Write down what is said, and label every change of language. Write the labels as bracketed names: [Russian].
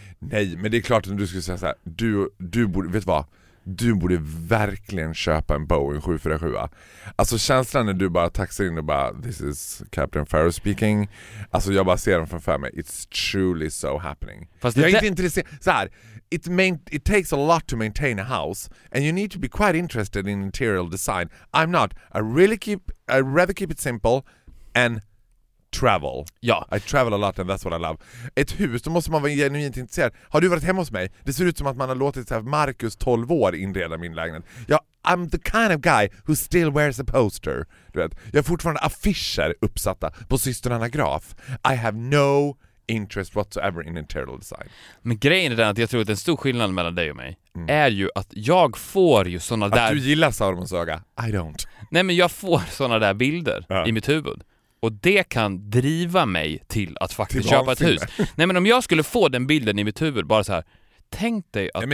[Swedish] Nej, men det är klart att du skulle säga så här. Du borde, vet vad? Du borde verkligen köpa en Boeing 747. Alltså känslan när du bara taxar in och bara [English] this is Captain Farrow speaking. [Swedish] Alltså jag bara ser dem framför mig. [English] It's truly so happening. [Swedish] Fast jag är inte intresserad. Så här, [English] it takes a lot to maintain a house and you need to be quite interested in interior design. I'm not. I rather keep it simple and travel. [Swedish] Ja. [English] I travel a lot and that's what I love. [Swedish] Ett hus, då måste man vara genuint intresserad. Har du varit hemma hos mig? Det ser ut som att man har låtit så här, Marcus 12 år inreda min lägenhet. [English] Ja, I'm the kind of guy who still wears a poster. [Swedish] Du vet, jag har fortfarande affischer uppsatta på systern Anna Graf. [English] I have no interest whatsoever in internal design. [Swedish] Men grejen är den att jag tror att en stor skillnad mellan dig och mig är ju att jag får ju såna att där... Att du gillar Saurons öga. [English] I don't. [Swedish] Nej, men jag får såna där bilder i mitt huvud. Och det kan driva mig till att faktiskt till köpa ett hus. Nej, men om jag skulle få den bilden i mitt huvud, bara så här, tänk dig att...